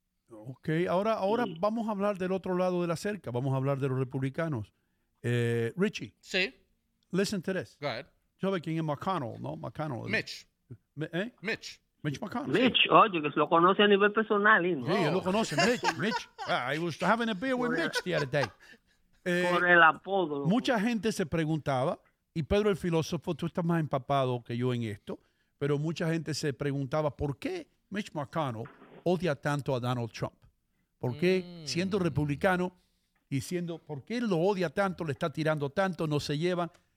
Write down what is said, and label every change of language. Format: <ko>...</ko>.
<es>Ok, ahora sí. Vamos a hablar del otro lado de la cerca, vamos a hablar de los republicanos. Richie. Sí.</es> <en>Listen to this. Go ahead.</en> <es>¿Tú sabes quién es McConnell, no? McConnell. Mitch. ¿Eh? Mitch. Mitch McConnell. Mitch, sí. Oye, que se lo conoce a nivel personal. ¿Eh? Sí, él lo conoce, Mitch.</es> <en>I was having a beer with Mitch the other day.</en> <es>Por el apodo. Mucha gente se preguntaba. Y Pedro el filósofo, tú estás más empapado que yo en esto, pero mucha gente se preguntaba por qué Mitch McConnell odia tanto a Donald Trump. ¿Por qué, siendo republicano y siendo, por qué él lo odia tanto, le está tirando tanto, no se lleva?</es>